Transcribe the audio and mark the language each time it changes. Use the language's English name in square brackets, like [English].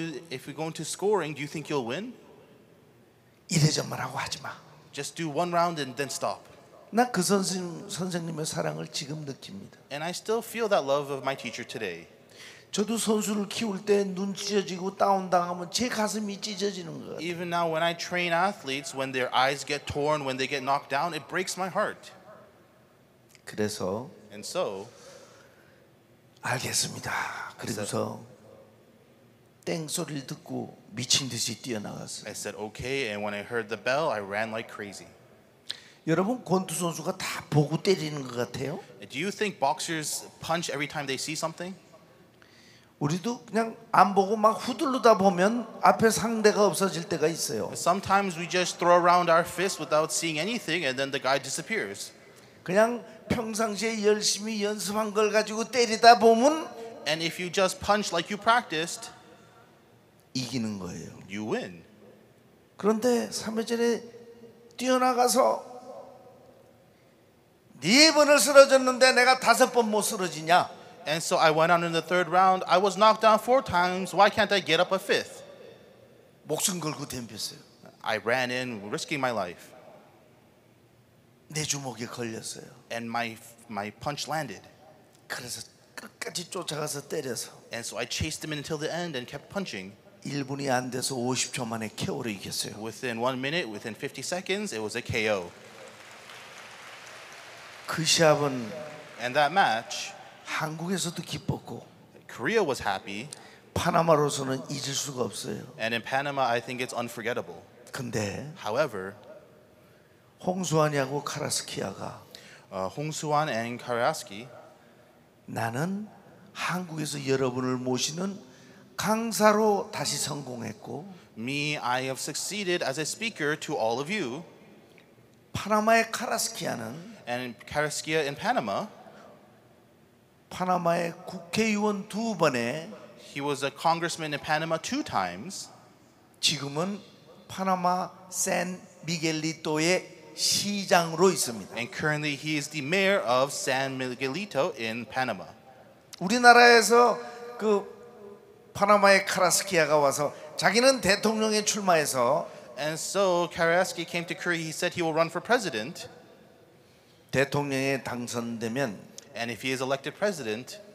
[English] If you go into scoring, do you think you'll win?" [Korean] 이래저만 하고 하지 마. [English] Just do one round and then stop. [Korean] 나 그 선생님의 사랑을 지금 느낍니다. [English] And I still feel that love of my teacher today. [Korean] 저도 선수를 키울 때 눈 찢어지고 다운 당하면 제 가슴이 찢어지는 거 같아요. [English] Even now when I train athletes, when their eyes get torn, when they get knocked down, it breaks my heart. [Korean] 그래서 [English] And so [Korean] 알겠습니다. 그래서 땡 소리를 듣고 미친 듯이 뛰어나갔어요. [English] I said okay, and when I heard the bell, I ran like crazy. [Korean] 여러분 권투 선수가 다 보고 때리는 것 같아요? [English] Do you think boxers punch every time they see something? [Korean] 우리도 그냥 안 보고 막 후들르다 보면 앞에 상대가 없어질 때가 있어요. [English] Sometimes we just throw around our fists without seeing anything, and then the guy disappears. [Korean] 그냥 평상시에 열심히 연습한 걸 가지고 때리다 보면 [English] And if you just punch like you practiced. [Korean] 이기는 거예요. [English] You win. [Korean] 그런데 3회전에 뛰어나가서 네 번을 쓰러졌는데 내가 다섯 번 못 쓰러지냐? [English] And so I went on in the third round. I was knocked down four times. Why can't I get up a fifth? [Korean] 목숨 걸고 덤볐어요. [English] I ran in, risking my life. [Korean] 내 주먹에 걸렸어요. [English] And my punch landed. [Korean] 그래서 끝까지 쫓아가서 때려서. [English] And so I chased him until the end and kept punching. [Korean] 1분이 안 돼서 50초 만에 KO를 이겼어요. [English] Within 1 minute, within 50 seconds, it was a KO. [Korean] 그 시합은 [English] And that match [Korean] 한국에서도 기뻤고 [English] Korea was happy. [Korean] 파나마로서는 잊을 수가 없어요. [English] And in Panama, I think it's unforgettable. [Korean] 근데 [English] However, [Korean] 홍수환이하고 카라스키아가 [English] 홍수환 and Karaski [Korean] 나는 한국에서 여러분을 모시는 강사로 다시 성공했고 [English] Me, I have succeeded as a speaker to all of you. [Korean] 파나마의 카라스키아는 [English] And Karaskia in Panama [Korean] 파나마의 국회의원 두 번에 [English] He was a congressman in Panama two times. [Korean] 지금은 파나마 샌미겔리토의 시장으로 있습니다. [English] And currently he is the mayor of San Miguelito in Panama. [Korean] 우리나라에서 그 파나마의 카라스키아가 와서 자기는 대통령에 출마해서 [English] And so Karaski came to Korea. He said he will run for president. [Korean] 대통령에 당선되면 [English] And if he is elected president,